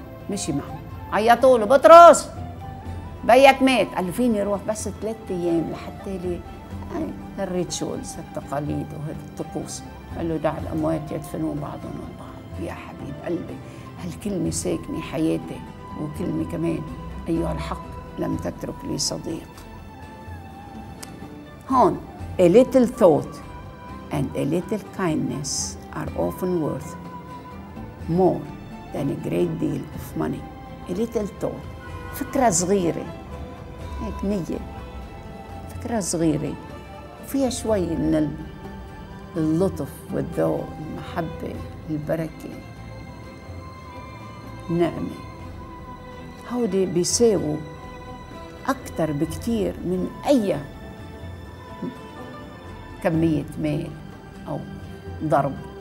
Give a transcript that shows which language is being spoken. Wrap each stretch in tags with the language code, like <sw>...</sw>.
<ar>مشي معه، عيطوا له بطرس بيك مات. قال له فيني اروح بس ثلاث ايام لحتى لي، هالريتشولز هالتقاليد وهالطقوس. قال له دع الأموات يدفنون بعضهم البعض. يا حبيب قلبي هالكلمة ساكني حياتي، وكلمة كمان أيها الحق لم تترك لي صديق. هون</ar> <en>a little thought and a little kindness are often worth more than a great deal of money. A little thought،</en> <ar>فكرة صغيرة هيك نية، فكرة صغيرة فيها شوي من اللطف والذوق، المحبة، البركة، النعمة، هودي بيساووا أكتر بكتير من أي كمية مال أو ضرب.</ar>